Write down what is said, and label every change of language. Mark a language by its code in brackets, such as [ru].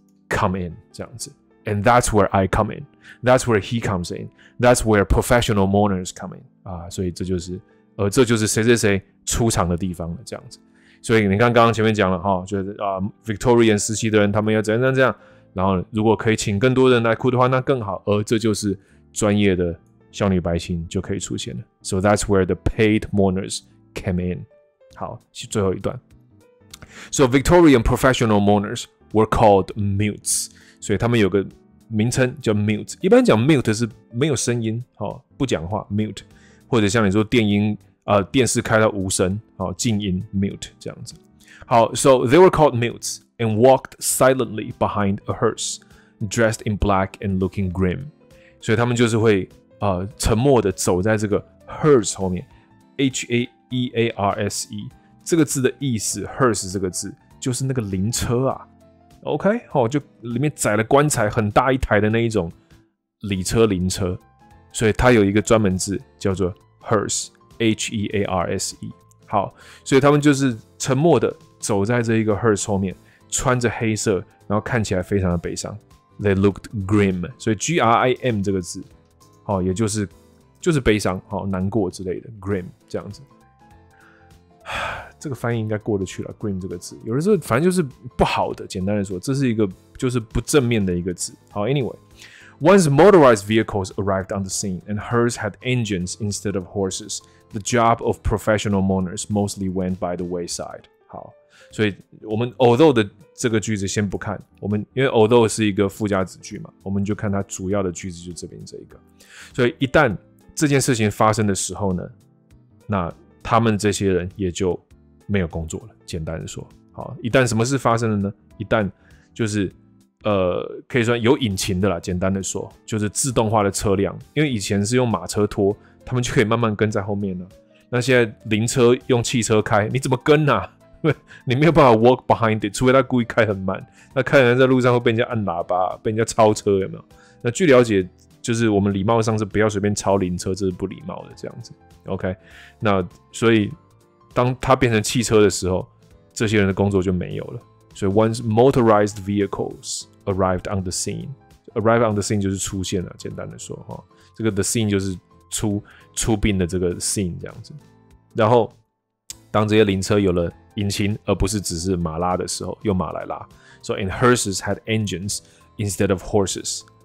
[en] Come in [zh] 这样子 [en] ，and that's where I come in. That's where he comes in. That's where professional mourners come in. [zh] 啊，所以这就是谁谁谁出场的地方了，这样子。所以你看，刚刚前面讲了哈，就是啊 ，Victorian 时期的人他们要怎样，然后如果可以请更多人来哭的话，那更好。而这就是专业的孝女白琴就可以出现了。 [en] So that's where the paid mourners came in. [zh] 好，最后一段。 [en] So Victorian professional mourners. were called mutes， [zh] 所以他们有个名称叫 mute。一般讲 mute 是没有声音，哦，不讲话 ，mute。或者像你说电音电视开到无声，好，静音 mute 这样子。 [en] 好 ，so they were called mutes and walked silently behind a hearse, dressed in black and looking grim。 [zh] 所以他们就是会沉默的走在这个 hearse 后面 ，H A E A R S E 这个字的意思 ，hearse 这个字就是那个灵车啊。 OK， 好，就里面载了棺材很大一台的那一种礼车灵车，所以它有一个专门字叫做 hearse。 H-E-A-R-S-E 好，所以他们就是沉默的走在这一个 hearse 后面，穿着黑色，然后看起来非常的悲伤。 [en] They looked grim， [zh] 所以 G-R-I-M 这个字，好，也就是悲伤，好，难过之类的 grim 这样子。这个翻译应该过得去了 ，grim 这个字，有的时候反正就是不好的。简单的说，这是一个就是不正面的一个字。 [en] 好 ，Anyway。 Once motorized vehicles arrived on the scene and hearse had engines instead of horses, the job of professional mourners mostly went by the wayside. [zh] 好，所以我们 although 的这个句子先不看，我们因为 although 是一个附加子句嘛，我们就看它主要的句子就这边这一个。所以一旦这件事情发生的时候呢，那他们这些人也就没有工作了。简单的说，好，一旦什么事发生了呢？一旦就是。可以说有引擎的啦，简单的说就是自动化的车辆，因为以前是用马车拖，他们就可以慢慢跟在后面了。那现在灵车用汽车开，你怎么跟啊？你没有办法 [en] walk behind it， [zh] 除非他故意开很慢，那开人在路上会被人家按喇叭，被人家超车，有没有？那据了解，就是我们礼貌上是不要随便超灵车，这是不礼貌的这样子。 OK， 那所以当他变成汽车的时候，这些人的工作就没有了。 [en] So once motorized vehicles arrived on the scene, arrive on the scene [zh] 就是出现了。简单的说，哈，这个 the scene 就是出殡的这个 scene 这样子。然后当这些灵车有了引擎，而不是只是马拉的时候，用马来拉。 [en] So and hearses had engines instead of horses.